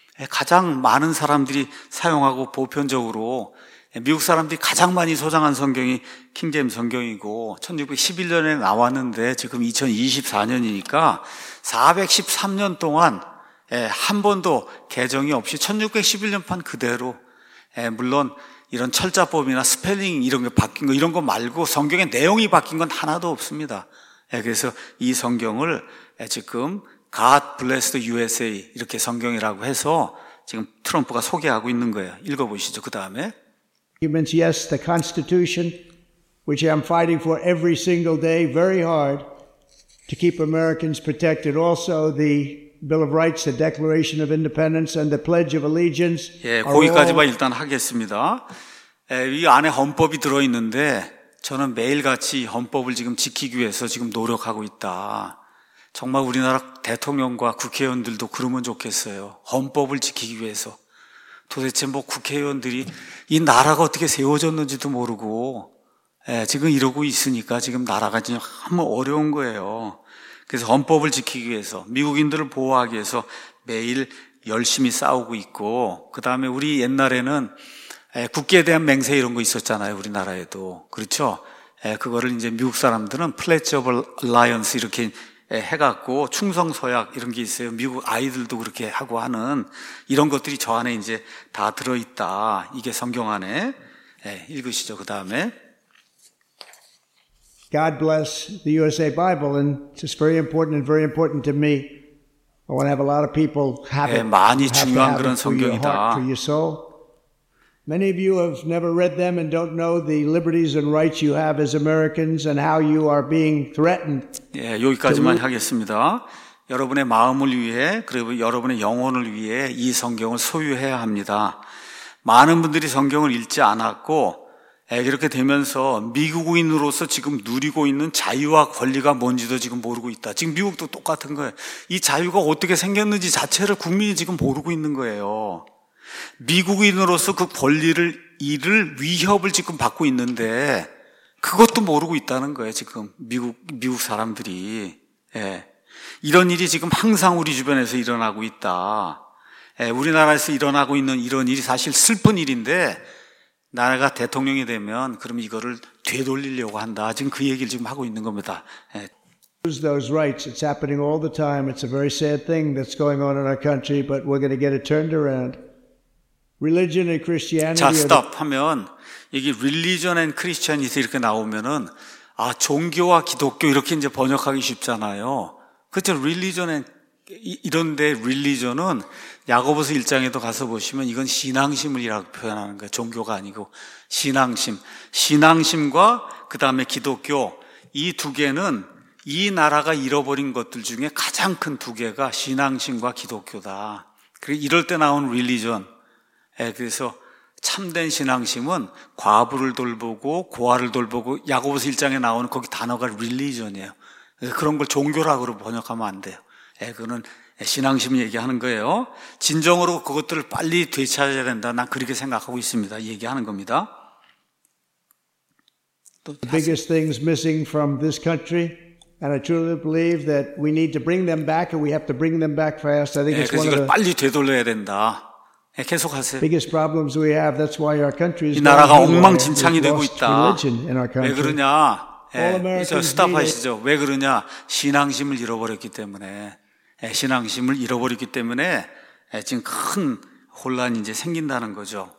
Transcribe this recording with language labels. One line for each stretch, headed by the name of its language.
Korean: 가장 많은 사람들이 사용하고 보편적으로 미국 사람들이 가장 많이 소장한 성경이 킹제임 성경이고, 1611년에 나왔는데 지금 2024년이니까 413년 동안 한 번도 개정이 없이 1611년판 그대로, 물론 이런 철자법이나 스펠링 이런 게 바뀐 거 이런 거 말고 성경의 내용이 바뀐 건 하나도 없습니다. 그래서 이 성경을 지금 God bless the USA 이렇게 성경이라고 해서 지금 트럼프가 소개하고 있는 거예요. 읽어보시죠. 그 다음에
English: Humans, yes, the Constitution, which I'm fighting for every single day very hard to keep Americans protected. Also the Bill of Rights, the Declaration of Independence, and the Pledge of Allegiance.
Korean: 예, 거기까지만 일단 하겠습니다. 예, 이 안에 헌법이 들어 있는데 저는 매일같이 헌법을 지금 지키기 위해서 지금 노력하고 있다. 정말 우리나라 대통령과 국회의원들도 그러면 좋겠어요. 헌법을 지키기 위해서. 도대체 뭐 국회의원들이 이 나라가 어떻게 세워졌는지도 모르고 예, 지금 이러고 있으니까 지금 나라가 지금 어려운 거예요. 그래서 헌법을 지키기 위해서 미국인들을 보호하기 위해서 매일 열심히 싸우고 있고 그다음에 우리 옛날에는 국기에 대한 맹세 이런 거 있었잖아요. 우리나라에도. 그렇죠? 그거를 이제 미국 사람들은 Pledge of Alliance 이렇게 해갖고 충성서약 이런 게 있어요. 미국 아이들도 그렇게 하고 하는 이런 것들이 저 안에 이제 다 들어있다. 이게 성경 안에 읽으시죠. 그 다음에
English: God bless the USA Bible and it's very important and very important to me. I want to have a lot of people have it.
Korean: 많이 중요한 그런 성경이다.
English: Many of you have never read them and don't know the liberties and rights you have as Americans and how you are being threatened.
Korean: 예, 여기까지만 하겠습니다. 여러분의 마음을 위해 그리고 여러분의 영혼을 위해 이 성경을 소유해야 합니다. 많은 분들이 성경을 읽지 않았고 이렇게 되면서 미국인으로서 지금 누리고 있는 자유와 권리가 뭔지도 지금 모르고 있다. 지금 미국도 똑같은 거예요. 이 자유가 어떻게 생겼는지 자체를 국민이 지금 모르고 있는 거예요. 미국인으로서 그 권리를 잃을 위협을 지금 받고 있는데 그것도 모르고 있다는 거예요. 지금 미국 사람들이 예. 이런 일이 지금 항상 우리 주변에서 일어나고 있다. 예. 우리나라에서 일어나고 있는 이런 일이 사실 슬픈 일인데 나라가 대통령이 되면 그럼 이거를 되돌리려고 한다. 지금 그 얘기를 지금 하고 있는 겁니다. 예.
English: Those rights. It's happening all the time. It's a very sad thing that's going on in our country, but we're going to get it turned around. Religion and Christianity.
Korean: 자, stop 하면 이게
English: religion and Christianity
Korean: 이렇게 나오면은 아 종교와 기독교 이렇게 이제 번역하기 쉽잖아요. 그렇죠?
English: Religion and
Korean: 이런데 religion은 야고보서 1장에도 가서 보시면 이건 신앙심을이라고 표현하는 거예요. 종교가 아니고 신앙심. 신앙심과 그 다음에 기독교 이 두 개는 이 나라가 잃어버린 것들 중에 가장 큰 두 개가 신앙심과 기독교다. 그리고 이럴 때 나온 religion. 예, 그래서 참된 신앙심은 과부를 돌보고 고아를 돌보고 야고보서 1장에 나오는 거기 단어가 religion이에요. 그런 걸 종교라고 번역하면 안 돼요. 예, 그거는 신앙심 얘기하는 거예요. 진정으로 그것들을 빨리 되찾아야 된다. 난 그렇게 생각하고 있습니다. 얘기하는 겁니다.
English: The biggest things missing from this country. And I truly believe that we need to bring them back and we have to bring them back fast. I think it's one of the
Korean: 빨리 되돌려야 된다. 예, 계속하세요.
English: Biggest problems we have, that's why our country is
Korean: 이 나라가 엉망진창이 되고 있다. 왜 그러냐? 예, 스탑하시죠. 왜 그러냐? 신앙심을 잃어버렸기 때문에. 예, 신앙심을 잃어버렸기 때문에 지금 큰 혼란이 이제 생긴다는 거죠.